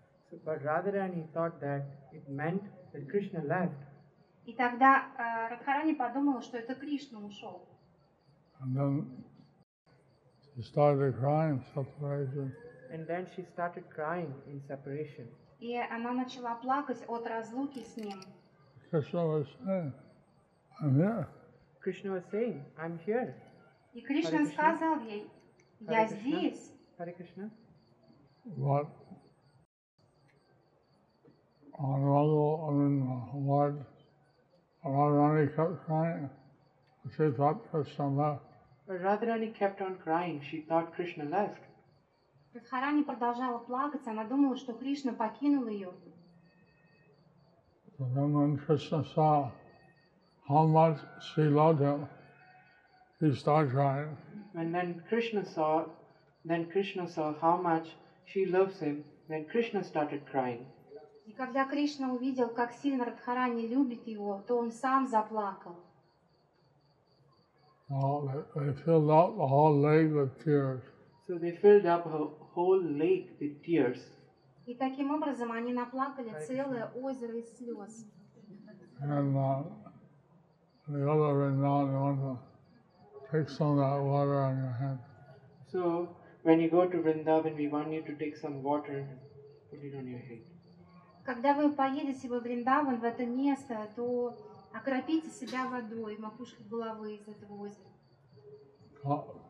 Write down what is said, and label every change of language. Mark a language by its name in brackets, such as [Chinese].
[English] So, but Radharani thought that it meant that Krishna left. [Russian] И тогда Радхарани подумала, что это Кришна ушел. [English] And then she started crying in separation. And then she started crying in separation. [Russian] И она начала плакать от разлуки с ним. [English] Krishna was saying, I'm here. Krishna was saying, I'm here. [Russian] И Кришна сказал ей, я здесь. [English] Hare Krishna. What? Anuradha, I mean, what? Radharani kept crying. She thought Krishna left. But Radharani kept on crying. She thought Krishna left. [Russian] Радхарани продолжала плакать. Она думала, что Кришна покинул ее. [English] So then when Krishna saw how much she loved him, he started crying. And then Krishna saw how much she loves him, then Krishna started crying. [Russian] И когда Кришна увидел, как сильно Радхарани любит его, то он сам заплакал. [English] Oh, they filled up the whole lake with tears. So they filled up a whole lake with tears. [Russian] И таким образом они наплакали целое озеро из слез. [English] And the other Vrindavan wanted to take some of that water on your head. So when you go to Vrindavan, we want you to take some water and put it on your head. [Russian] Когда вы поедете во Вриндаван, в это место, то окропите себя водой, макушку головы из этого озера.